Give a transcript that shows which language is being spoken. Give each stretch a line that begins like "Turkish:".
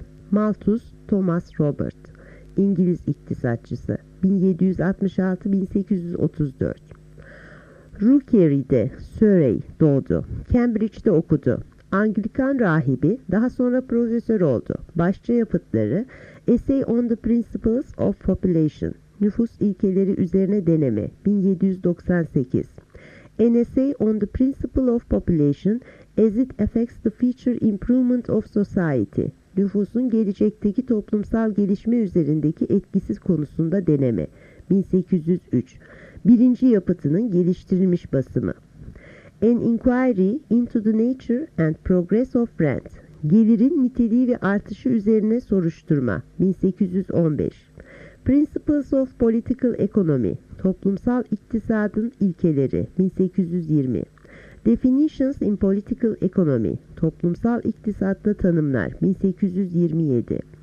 Turkish: Malthus Thomas Robert, İngiliz iktisatçısı, 1766-1834. Rookery'de Surrey doğdu. Cambridge'de okudu. Anglikan rahibi, daha sonra profesör oldu. Başça yapıtları
English: Essay on the Principles of Population,
Turkish: Nüfus İlkeleri Üzerine Deneme 1798.
English: An Essay on the Principle of Population as it Affects the Future Improvement of Society.
Turkish: Nüfusun Gelecekteki Toplumsal Gelişme Üzerindeki Etkisi Konusunda Deneme 1803. Birinci yapıtının geliştirilmiş basımı.
English: An Inquiry into the Nature and Progress of Rent.
Turkish: Gelirin niteliği ve artışı üzerine soruşturma 1815.
English: Principles of Political Economy,
Turkish: toplumsal iktisadın ilkeleri
English: 1820. Definitions in Political Economy,
Turkish: toplumsal iktisatta tanımlar
English: 1827.